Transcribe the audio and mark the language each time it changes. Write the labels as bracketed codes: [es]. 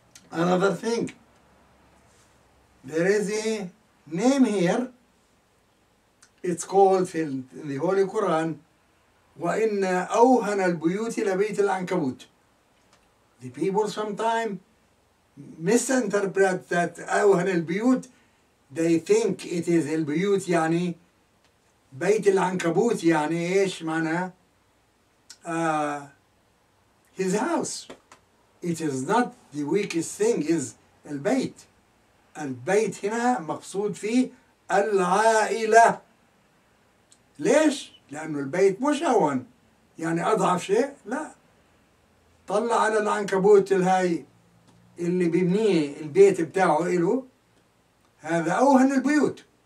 [en] Another thing, there is a name here. It's called in the Holy Quran, [ar] وَإِنَّ أَوْهَنَ الْبُيُوتِ لَبَيْتِ الْعَنْكَبُوتِ. [en] The people sometime misinterpret that [ar] أَوْهَنَ الْبُيُوتِ. [en] They think it is [ar] الْبُيُوتِ يعني بَيْتِ الْعَنْكَبُوتِ يعني إيش معنى [en] his house. It is not the weakest thing is البيت. [ar] البيت هنا مقصود فيه العائلة. ليش؟ لأنه البيت مش هون يعني أضعف شيء؟ لا طلع على العنكبوت الهاي اللي بيبنيه البيت بتاعه إله هذا أوهن البيوت